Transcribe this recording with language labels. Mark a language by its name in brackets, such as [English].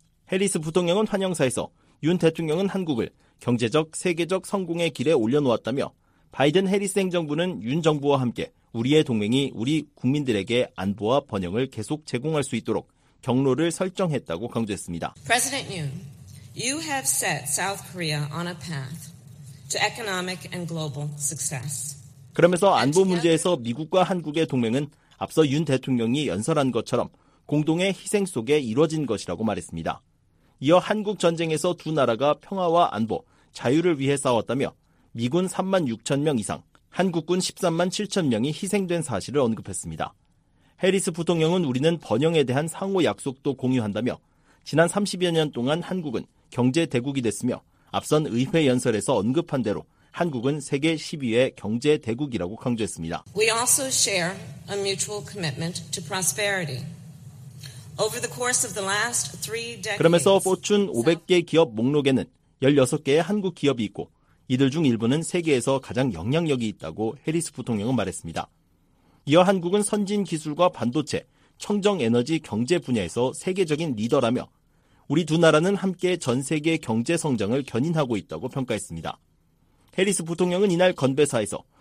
[Korean] 해리스 부통령은 환영사에서 윤 대통령은 한국을 경제적, 세계적 성공의 길에 올려놓았다며 바이든 해리스 행정부는 윤 정부와 함께 우리의 동맹이 우리 국민들에게 안보와 번영을 계속 제공할 수 있도록 경로를 설정했다고 강조했습니다. [English] President Yoon, you have set South Korea on a path to economic and global success. [Korean] 그러면서 안보 문제에서 미국과 한국의 동맹은 앞서 윤 대통령이 연설한 것처럼 공동의 희생 속에 이뤄진 것이라고 말했습니다. 이어 한국 전쟁에서 두 나라가 평화와 안보, 자유를 위해 싸웠다며 미군 3만 6천 명 이상, 한국군 13만 7천 명이 희생된 사실을 언급했습니다. 해리스 부통령은 우리는 번영에 대한 상호 약속도 공유한다며 지난 30여 년 동안 한국은 경제 대국이 됐으며 앞선 의회 연설에서 언급한 대로 한국은 세계 10위의 경제 대국이라고 강조했습니다. [English] We also share a mutual commitment to prosperity. Over the course of the last three decades, [Korean] 그러면서 포춘 500개 기업 목록에는 16개의 한국 기업이 있고 이들 중 일부는 세계에서 가장 영향력이 있다고 해리스 부통령은 말했습니다. 이어 한국은 선진 기술과 반도체, 청정 에너지 경제 분야에서 세계적인 리더라며 우리 두 나라는 함께 전 세계 경제 성장을 견인하고 있다고 평가했습니다. 해리스 부통령은 이날 건배사에서